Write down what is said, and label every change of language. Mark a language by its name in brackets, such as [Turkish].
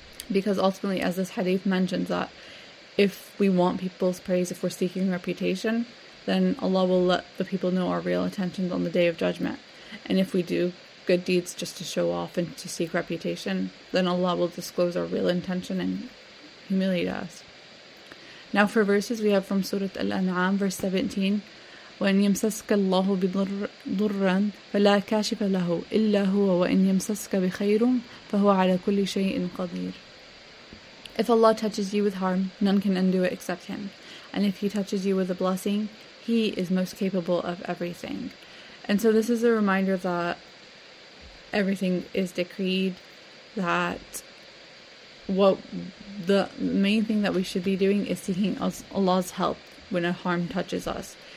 [English] Because ultimately, as this hadith mentions, that if we want people's praise, if we're seeking reputation, then Allah will let the people know our real intentions on the day of judgment. And if we do good deeds just to show off and to seek reputation, then Allah will disclose our real intention and humiliate us. Now for verses, we have from Surah Al-An'am, verse 17, [Arabic] وإن يمسسك الله بضر ضرا فلا كاشف له إلا هو وإن يمسسك بخير فهو على كل شيء قدير. [English] If Allah touches you with harm, none can undo it except Him. And if He touches you with a blessing, He is most capable of everything. And so this is a reminder that everything is decreed, that what the main thing that we should be doing is seeking Allah's help when a harm touches us.